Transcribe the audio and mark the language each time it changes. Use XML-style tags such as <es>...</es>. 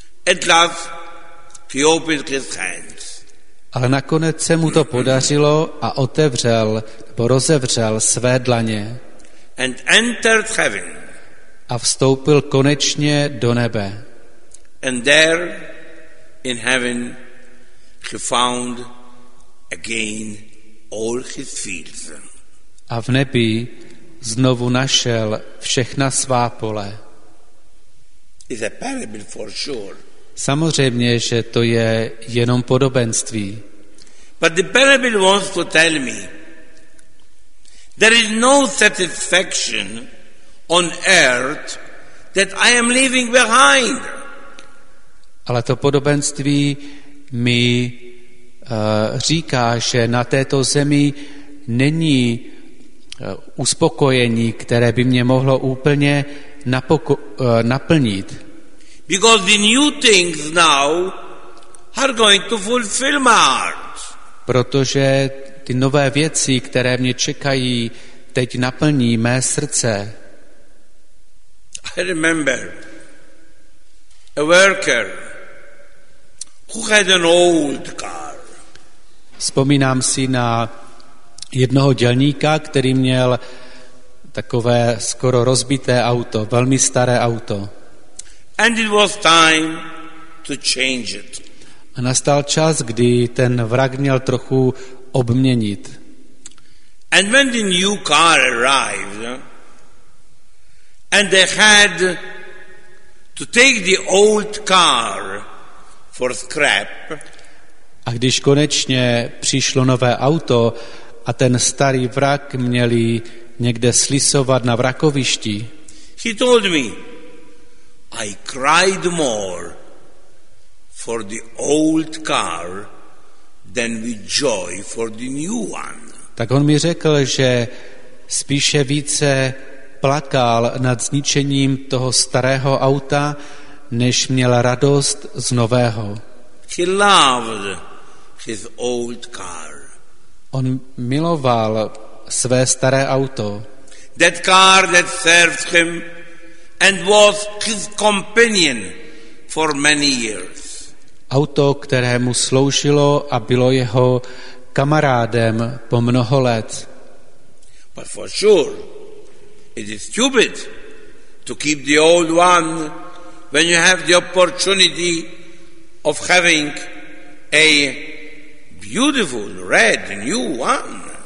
<en>At last he opened his hands.</en> <cs>Ale nakonec se mu to podařilo a otevřel, nebo rozevřel své dlaně.</cs> <en>And entered heaven.</en> <cs>A vstoupil konečně do nebe.</cs> <en>And there in heaven he found again all his fields.</en> <cs>A v nebi znovu našel všechna svá pole.</cs> <en>It's a parable for sure.</en> <cs>Samozřejmě, že to je jenom podobenství.</cs> <en>But the parable wants to tell me there is no satisfaction on earth that I am leaving behind.</en> <cs>Ale to podobenství mi říká, že na této zemi není uspokojení, které by mě mohlo úplně naplnit.</cs> <en>Because the new things now are going to fulfill my heart.</en> <cs>Protože ty nové věci, které mě čekají, teď naplní mé srdce.</cs> <en>I remember a worker who had an old car.</en> <cs>Vzpomínám si na jednoho dělníka, který měl takové skoro rozbité auto, velmi staré auto.</cs> <en>And it was time to change it.</en> <cs>A nastal čas, kdy ten vrak měl trochu obměnit.</cs> <en>And when the new car arrived, and they had to take the old car for scrap.</en> <cs>A když konečně přišlo nové auto a ten starý vrak měli někde slisovat na vrakovišti.</cs> <en>He told me, I cried more for the old car than with joy for the new one.</en> <cs>Tak on mi řekl, že spíše více plakal nad zničením toho starého auta, než měl radost z nového.</cs> <en>He loved his old car.</en> <cs>On miloval své staré auto.</cs> <en>That car that served him and was his companion for many years.</en> <cs>Auto, které mu sloužilo a bylo jeho kamarádem po mnoho let.</cs> <en>But for sure, it is stupid to keep the old one when you have the opportunity of having a beautiful red new one.</en>